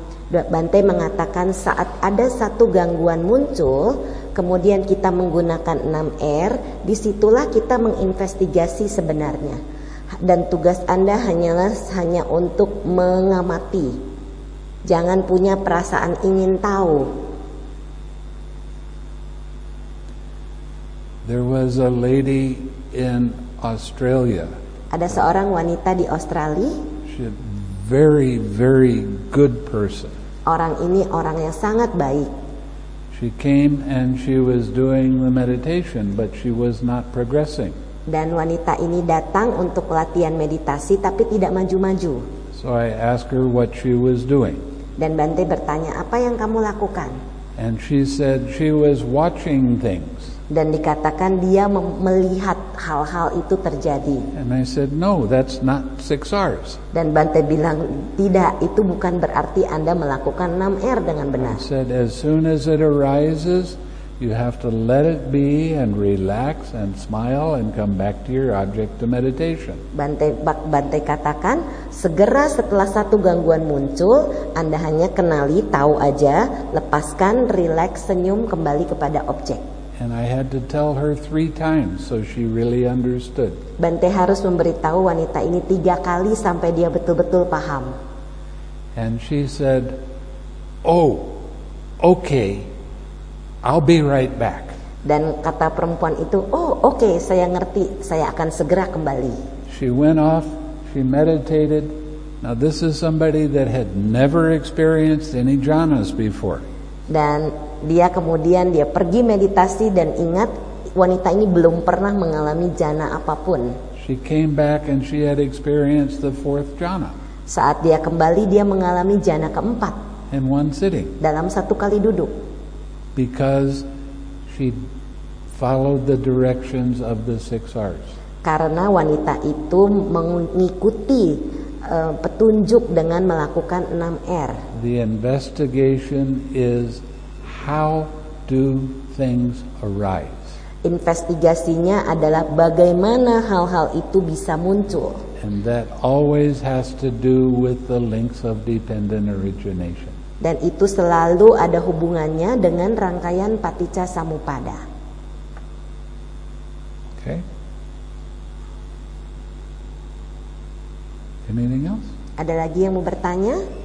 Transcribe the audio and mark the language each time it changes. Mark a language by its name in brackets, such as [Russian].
[Indonesian] Bante mengatakan saat ada satu gangguan muncul, kemudian kita menggunakan 6R, disitulah kita menginvestigasi sebenarnya. Dan tugas Anda hanya untuk mengamati. Jangan punya perasaan ingin tahu. [English] There was a lady in Australia. [Indonesian] Ada seorang wanita di Australia. [English] She's a very, very good person. [Indonesian] Orang ini orang yang sangat baik. [English] She came and she was doing the meditation, but she was not progressing. [Indonesian] Dan wanita ini datang untuk latihan meditasi, tapi tidak maju-maju. [English] So I asked her what she was doing. [Indonesian] Dan Bante bertanya, apa yang kamu lakukan? [English] And she said she was watching things. [Indonesian] Dan dikatakan dia melihat hal-hal itu terjadi. [English] And I said, no, that's not six R's. [Indonesian] Dan Bante bilang, tidak, itu bukan berarti Anda melakukan 6R dengan benar. [English] I said, as soon as it arises, you have to let it be and relax and smile and come back to your object to meditation. [Indonesian] Bante katakan, segera setelah satu gangguan muncul, Anda hanya kenali, tahu aja, lepaskan, relax, senyum, kembali kepada objek. [English] And I had to tell her 3 times so she really understood. [Indonesian] Bante harus memberitahu wanita ini 3 kali sampai dia betul-betul paham. [English] And she said, oh, okay, I'll be right back. [Indonesian] Dan kata perempuan itu, oh, okay, saya ngerti, saya akan segera kembali. [English] She went off, she meditated. Now this is somebody that had never experienced any jhanas before. [Indonesian] Dan dia kemudian dia pergi meditasi dan ingat wanita ini belum pernah mengalami jhana apapun. [English] She came back and she had experienced the 4th jhana. [Indonesian] Saat dia kembali dia mengalami jhana keempat. [English] In one sitting. [Indonesian] Dalam satu kali duduk. [English] Because she followed the directions of the 6 R's. [Indonesian] Karena wanita itu mengikuti petunjuk dengan melakukan 6R. [English] The investigation is how do things arise? [Indonesian] Investigasinya adalah bagaimana hal-hal itu bisa muncul. [English] and that always has to do with the links of dependent origination. [Indonesian] Dan itu selalu ada hubungannya dengan rangkaian paticca samuppada. [English] Okay. Anything else? [Indonesian] Ada lagi yang mau bertanya?